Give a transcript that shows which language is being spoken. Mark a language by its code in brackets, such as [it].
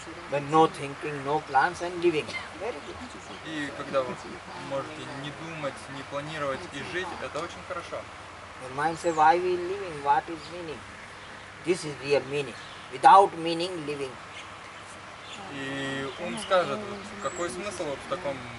[en] When no thinking, no plans and living. Very good. [ru] И когда вы можете не думать, не планировать и жить, это очень хорошо. [en] Your mind says, why we living? What is meaning? This is real meaning. Without meaning, living. [ru] И ум скажет, какой смысл вот в таком